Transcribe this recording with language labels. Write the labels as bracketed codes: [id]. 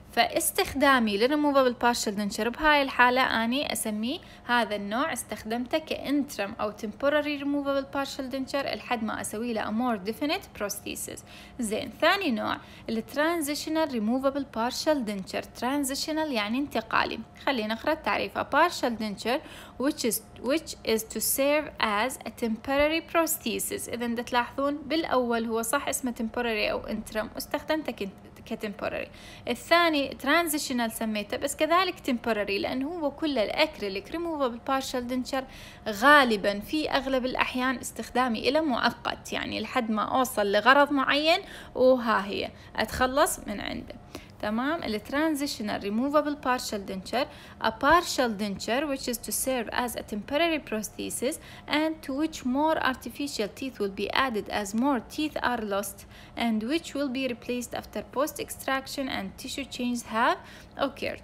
[ar] فاستخدامي للريموفبل بارشل دنشر بهاي الحالة أني أسميه هذا النوع استخدمته كإنترم أو تيمبوراري ريموفبل بارشل دنشر لحد ما أسوي له أمور ديفينيت بروستيسيس. زين، ثاني نوع الترانزيشنال ريموفبل بارشل دنشر. ترانزيشنال يعني انتقالي. خلينا نقرأ تعريفه. [en] Partial denture which is to serve as a temporary prosthesis. [ar] إذا تلاحظون بالأول هو صح اسمه temporary أو interim، استخدمته كtemporary. الثاني transitional سميته، بس كذلك temporary لأنه هو كل الأكريليك removable partial denture غالبا في أغلب الأحيان استخدامي إلى مؤقت، يعني لحد ما أوصل لغرض معين وها هي أتخلص من عنده. تمام. [en] The transitional removable partial denture, a partial denture which is to serve as a temporary prosthesis and to which more artificial teeth will be added as more teeth are lost and which will be replaced after post extraction and tissue changes have occurred.